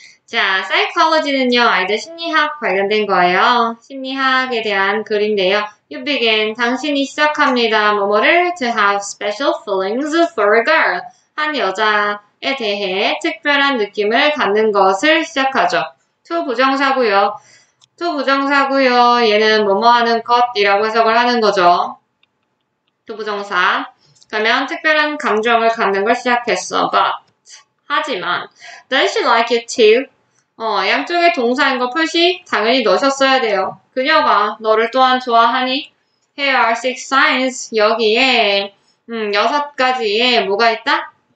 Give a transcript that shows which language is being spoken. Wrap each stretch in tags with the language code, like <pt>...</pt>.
<ko>자, psychology는요, 아이들 심리학 관련된 거예요. 심리학에 대한 글인데요.</ko> <en>You begin.</en> <ko>당신이 시작합니다. 뭐뭐를</ko> <en>to have special feelings for a girl.</en> <ko>한 여자에 대해 특별한 느낌을 갖는 것을 시작하죠. To 부정사고요. To 부정사고요. 얘는 뭐뭐하는 것이라고 해석을 하는 거죠. To 부정사. 그러면 특별한 감정을 갖는 걸 시작했어.</ko> <en>But</en> <ko>하지만</ko> <en>Does she like you too?</en> <ko>양쪽에 동사인 거 표시 당연히 넣으셨어야 돼요. 그녀가 너를 또한 좋아하니?</ko> <en>Here are six signs.</en> <ko>여기에 여섯 가지에 뭐가 있다?</ko>